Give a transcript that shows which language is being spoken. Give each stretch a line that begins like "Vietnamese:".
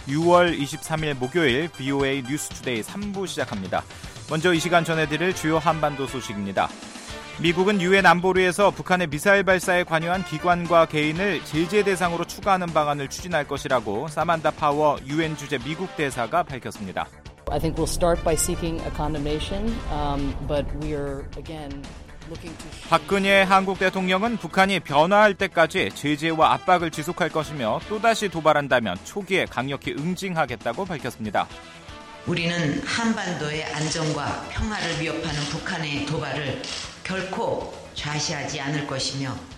Korean: 6월 23일 목요일 VOA 뉴스투데이 3부 시작합니다. 먼저 이 시간 전해드릴 주요 한반도 소식입니다. 미국은 유엔 안보리에서 북한의 미사일 발사에 관여한 기관과 개인을 제재 대상으로 추가하는 방안을 추진할 것이라고 사만다 파워 유엔 주재 미국 대사가 밝혔습니다.
English: I think we'll start by seeking a condemnation, but we're again
Korean: 박근혜 한국 대통령은 북한이 변화할 때까지 제재와 압박을 지속할 것이며 또다시 도발한다면 초기에 강력히 응징하겠다고 밝혔습니다. 우리는 한반도의 안정과 평화를 위협하는 북한의 도발을 결코 좌시하지 않을 것이며